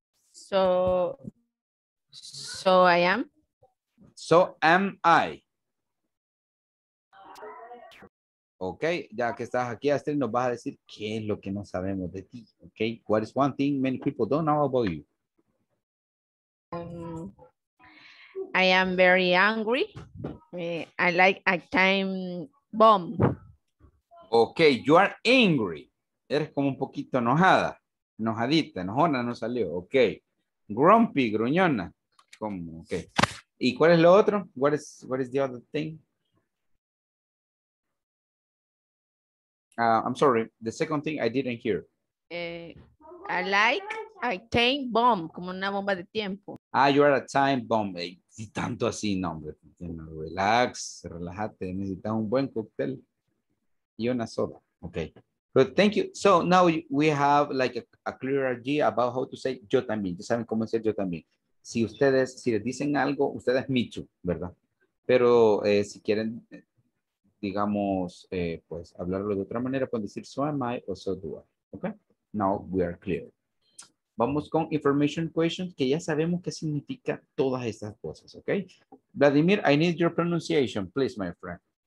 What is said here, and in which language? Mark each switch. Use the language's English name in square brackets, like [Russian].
[English] So I am? So am I. [Spanish] Ok, ya que estás aquí, Astrid, nos vas a decir qué es lo que no sabemos de ti. [English] Ok, what is one thing many people don't know about you? I am very angry. I like a time bomb. Ok, you are angry. [Spanish] Eres como un poquito enojada. Enojadita, enojona, no salió. Ok, grumpy, gruñona. ¿Cómo? [English] Ok, [Spanish] ¿y cuál es lo otro? [English] What is the other thing? I'm sorry, the second thing I didn't hear. I like a time bomb, [Spanish] como una bomba de tiempo. [English] Ah, you are a time bomb. [Spanish] Hey, si tanto así, no, hombre. Relax, relájate, necesitas un buen cóctel y una soda. [English] Okay, good, thank you. So now we have like a clear idea about how to say [Spanish] yo también. Ya saben cómo decir yo también. Si ustedes, si les dicen algo, ustedes [English] me too, [Spanish] ¿verdad? Pero si quieren... digamos, pues, hablarlo de otra manera, pueden decir, [English] so am I [Spanish] o [English] so do I. Ok, now we are clear. [Spanish] Vamos con information questions, que ya sabemos qué significa todas estas cosas, ok. [English] Vladimir, I need your pronunciation, please, my friend.